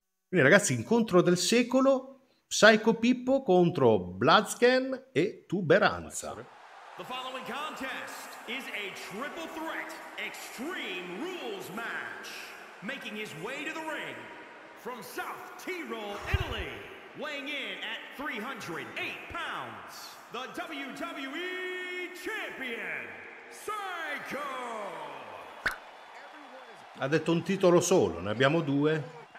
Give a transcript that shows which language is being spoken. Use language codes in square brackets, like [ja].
[it] Ragazzi, incontro del secolo, Psycho Pippo contro Blaziken e Tuberanza. [en] The following contest is a triple threat extreme rules match, making his way to the ring from South Tyrol, Italy, weighing in at 308 pounds, the WWE champion Psycho. [it] Ha detto un titolo solo, ne abbiamo due.